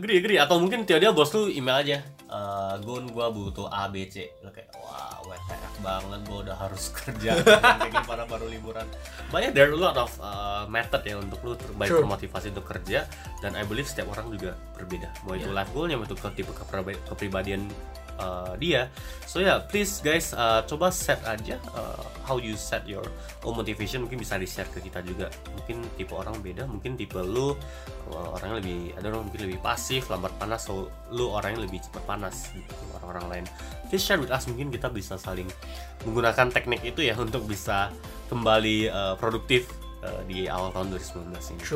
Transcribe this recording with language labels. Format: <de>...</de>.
<id>Geri. Atau mungkin tiba-tiba bos lu email aja, Gun, gua butuh ABC. Lu kayak, wah, WTF banget, gua udah harus kerja. Kayaknya para baru liburan.</id> <en>But yeah, there are a lot of method ya</en> <id>untuk lu terbaik termotivasi untuk kerja. Dan</id> <en>I believe</en> <id>setiap orang juga berbeda. Mau itu life goalnya, mau itu tipe kepribadian dia.</id> <en>So yeah, please guys,</en> <id>coba set aja</id> <en>how you set your own motivation.</en> <id>Mungkin bisa di-share ke kita juga. Mungkin tipe orang beda, mungkin tipe lu orangnya lebih,</id> <en>I don't know,</en> <id>mungkin lebih pasif, lambat panas, so lu orangnya lebih cepat panas gitu, orang-orang lain.</id> <en>Please share with us,</en> <id>mungkin kita bisa saling menggunakan teknik itu ya untuk bisa kembali produktif di awal tahun 2019 ini.</id>